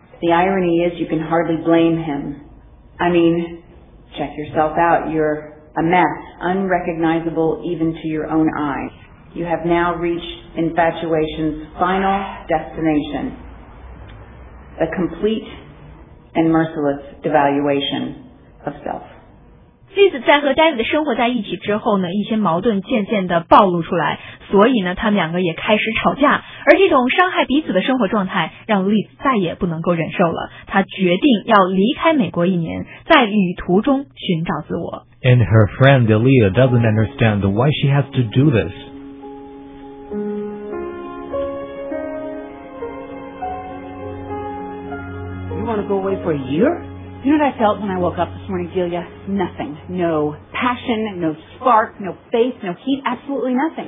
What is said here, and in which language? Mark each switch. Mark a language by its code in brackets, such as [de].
[en] The irony is you can hardly blame him. I mean, check yourself out. You're a mess, unrecognizable even to your own eyes. You have now reached infatuation's final destination, a complete and merciless devaluation of self. [zh] Liz 在和 David 生活在一起之后呢，一些矛盾渐渐的暴露出来，所以呢，他们两个也开始吵架。而这种伤害彼此的生活状态，让 Liz 再也不能够忍受了。他决定要离开美国一年，在旅途中寻找自我。 [en] And her friend Delia doesn't understand why she has to do this. You want to go away for a year? You know what I felt when I woke up this morning, Delia? Nothing. No passion, no spark, no faith, no heat, absolutely nothing.